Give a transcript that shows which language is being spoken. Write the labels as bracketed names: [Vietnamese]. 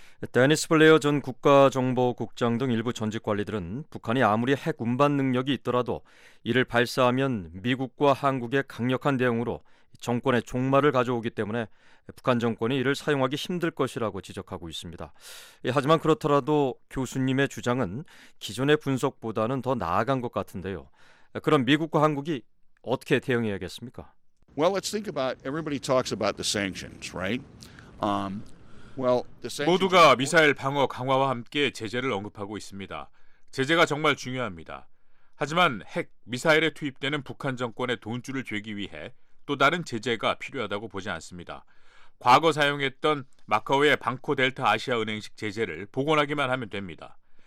[Korean] 데니스 블레어 전 국가정보국장 등 일부 전직 관리들은 북한이 아무리 핵 운반 능력이 있더라도 이를 발사하면 미국과 한국의 강력한 대응으로 정권의 종말을 가져오기 때문에 북한 정권이 이를 사용하기 힘들 것이라고 지적하고 있습니다. 하지만 그렇더라도 교수님의 주장은 기존의 분석보다는 더 나아간 것 같은데요. 그럼 미국과 한국이 어떻게 대응해야겠습니까? [English] Well, let's think about everybody talks about the sanctions, right? Well, [Korean] 모두가 미사일 방어 강화와 함께 제재를 언급하고 있습니다. 제재가 정말 중요합니다. 하지만 핵, 미사일에 투입되는 북한 정권의 돈줄을 죄기 위해 또 다른 제재가 필요하다고 보지 않습니다. 과거 사용했던 마카오의 방코 델타 아시아 은행식 제재를 복원하기만 하면 됩니다.